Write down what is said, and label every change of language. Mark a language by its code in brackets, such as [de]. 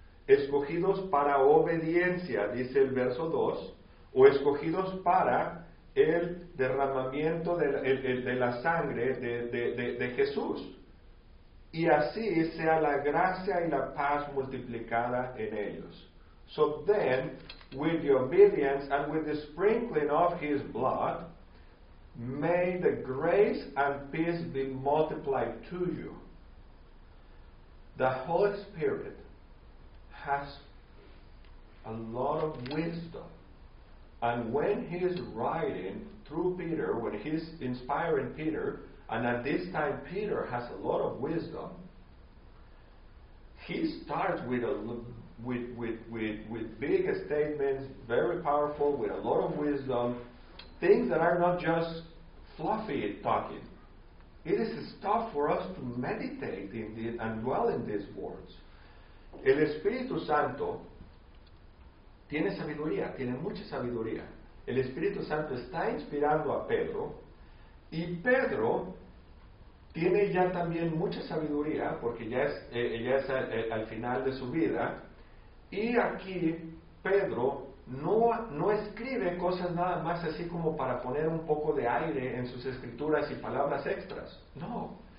[es] Escogidos para obediencia, dice el verso 2, o escogidos para el derramamiento de la sangre de Jesús. Y así sea la gracia y la paz multiplicada en ellos. [en] So then, with the obedience and with the sprinkling of his blood, may the grace and peace be multiplied to you. The Holy Spirit has a lot of wisdom. And when he is writing through Peter, when he's inspiring Peter, and at this time Peter has a lot of wisdom, he starts with big statements, very powerful, with a lot of wisdom, things that are not just fluffy talking. It is stuff for us to meditate in and dwell in these words. [es] El Espíritu Santo tiene sabiduría, tiene mucha sabiduría. El Espíritu Santo está inspirando a Pedro, y Pedro tiene ya también mucha sabiduría, porque ya es al final de su vida, y aquí Pedro no escribe cosas nada más así como para poner un poco de aire en sus escrituras y palabras extras. No.